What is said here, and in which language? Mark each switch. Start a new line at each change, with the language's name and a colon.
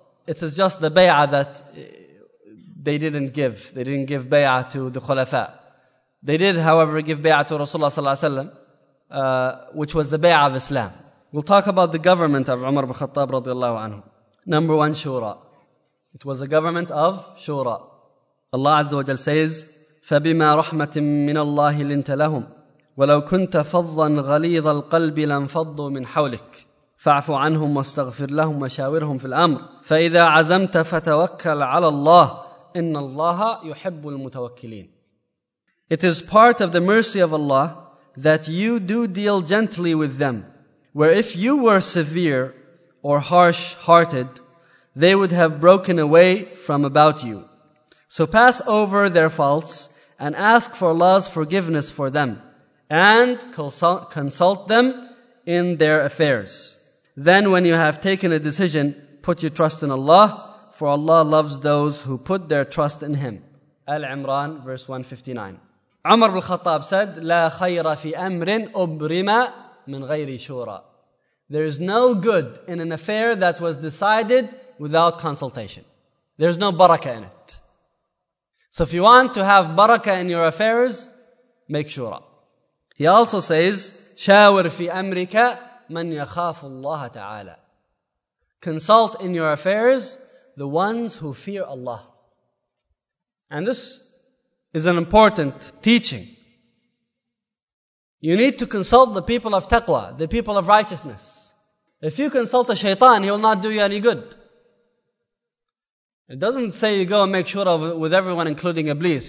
English: It is just the bay'ah that they didn't give. They didn't give bay'ah to the khulafa. They did, however, give bay'ah to Rasulullah sallallahu alaihi wasallam, which was the bay'ah of Islam. We'll talk about the government of Umar ibn Khattab radiallahu anhu. Number one, shura. It was a government of shura.
Arabic: Allah Azza wa Jal says, فَبِمَا رَحْمَةٍ مِّنَ اللَّهِ لِنْتَ لَهُمْ وَلَوْ كُنْتَ فَضًّا غَلِيظَ الْقَلْبِ لَنْفَضُّوا مِنْ حَوْلِكَ فَاعْفُ عَنْهُمْ وَاسْتَغْفِرْ لَهُمْ وَشَاوِرْهُمْ فِي الْأَمْرِ فَإِذَا عَزَمْتَ فَتَوَكَّلْ عَلَى اللَّهِ إِنَّ اللَّهَ يُحِبُّ الْمُتَوَكِّلِينَ.
English: It is part of the mercy of Allah that you do deal gently with them, where if you were severe or harsh-hearted, they would have broken away from about you. So pass over their faults and ask for Allah's forgiveness for them and consult them in their affairs. Then when you have taken a decision, put your trust in Allah, for Allah loves those who put their trust in Him. Al-Imran, verse 159.
Arabic: Umar ibn Khattab said, لا خير في أمر أبرم من غير شورى.
English: There is no good in an affair that was decided without consultation. There is no barakah in it. So if you want to have barakah in your affairs, make shura. He also says,
Arabic: شاور في أمرك من يخاف الله تعالى.
English: Consult in your affairs the ones who fear Allah. And this is an important teaching. You need to consult the people of taqwa, the people of righteousness. If you consult a shaitan, he will not do you any good. It doesn't say you go and make shura with everyone, including Iblis.